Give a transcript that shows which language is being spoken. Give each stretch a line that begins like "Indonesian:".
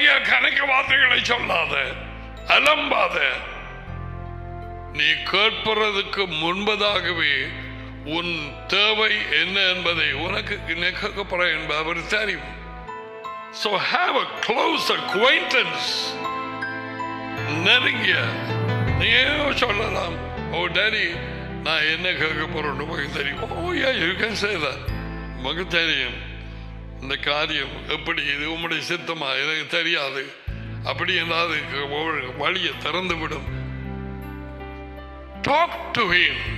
Tamil: கணக்க வார்த்தைகளை சொல்லாத, அலம்பாத, நீ கேட்பறதுக்கு முன்பதாகவே உன் தேவை என்ன என்பதை உனக்கு நெக்கப்பட என்பது அவர் தெரியும்.
English: So have a close acquaintance.
Tamil: நெருங்கிய நீ சொல்லலாம், ஓ டாடி நான் என்ன கேட்க போறேன் உனக்கு தெரியும்.
English: oh yeah, you can say that,
Tamil: உனக்கு தெரியும் இந்த காரியம் எப்படி, இது உம்முடைய சித்தமா, எனக்கு தெரியாது. அப்படி என்றால் வழியை திறந்து விடும்.
English: Talk to him.